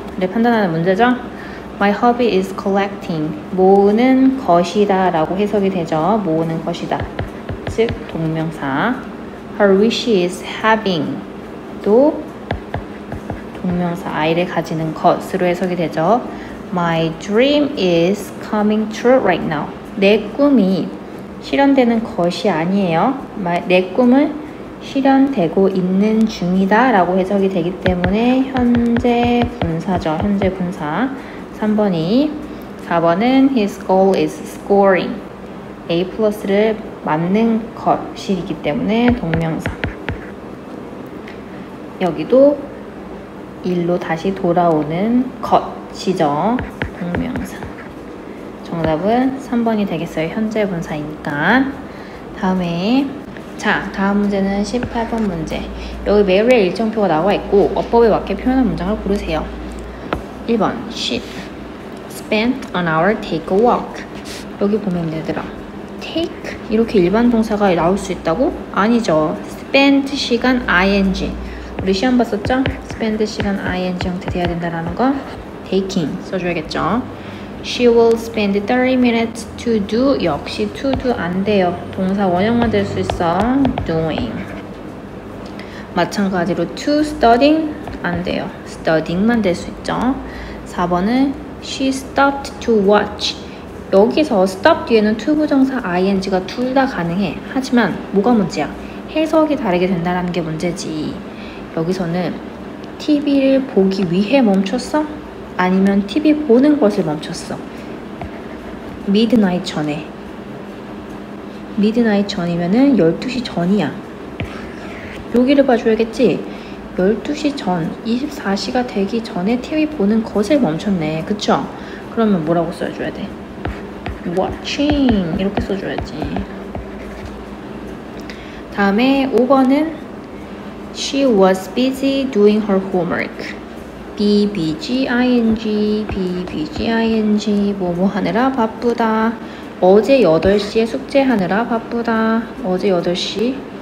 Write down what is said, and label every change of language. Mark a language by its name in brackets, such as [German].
[Korean] 를 판단하는 문제죠? [English] My hobby is collecting. [Korean] 모으는 것이다 라고 해석이 되죠. 모으는 것이다. 즉 동명사. [English] Her wish is having. [Korean] 또 동명사, 아이를 가지는 것으로 해석이 되죠. [English] My dream is coming true right now. [Korean] 내 꿈이 실현되는 것이 아니에요. 내 꿈은 실현되고 있는 중이다 라고 해석이 되기 때문에 현재 분사죠. 현재 분사. 3번이 4번은 [English] his goal is scoring. [Korean] A 플러스를 맞는 것이기 때문에 동명사. 여기도 일로 다시 돌아오는 것이죠. 동명사. 정답은 3번이 되겠어요. 현재 분사이니까. 다음에 자, 다음 문제는 18번 문제. 여기 매일의 일정표가 나와있고 어법에 맞게 표현한 문장을 고르세요. [English] 1번 She spent an hour take a walk. [Korean] 여기 보면 얘들아 take 이렇게 일반 동사가 나올 수 있다고? 아니죠. spent 시간 ing. 우리 시험 봤었죠? spend 시간 ing 형태 돼야 된다라는 거 taking 써줘야겠죠. [English] She will spend 30 minutes to do. [Korean] 역시 to do 안 돼요. 동사 원형만 될 수 있어. doing. 마찬가지로 to studying 안 돼요. studying만 될 수 있죠. [English] 4번은 She stopped to watch. [Korean] 여기서 stop 뒤에는 to 부정사 ing가 둘 다 가능해. 하지만 뭐가 문제야? 해석이 다르게 된다는 게 문제지. 여기서는 TV를 보기 위해 멈췄어? 아니면 TV 보는 것을 멈췄어. midnight 전에. midnight 전이면은 12시 전이야. 여기를 봐줘야겠지? 12시 전, 24시가 되기 전에 TV 보는 것을 멈췄네. 그쵸? 그러면 뭐라고 써줘야 돼? watching. 이렇게 써줘야지. 다음에 5번은 [English] she was busy doing her homework. [Korean] BBGING, BBGING, 뭐뭐 하느라 바쁘다. 어제 8시에 숙제하느라 바쁘다. 어제 8시.